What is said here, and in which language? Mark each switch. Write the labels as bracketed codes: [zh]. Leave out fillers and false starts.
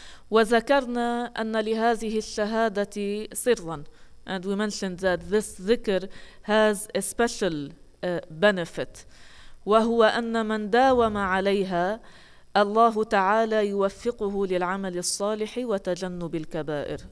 [ar] وذكرنا أن لهذه الشهادة سرا. [en] And we mentioned that this ذكر has a special benefit. [ar] وهو أن من داوم عليها الله تعالى يوفقه للعمل الصالح وتجنب الكبائر.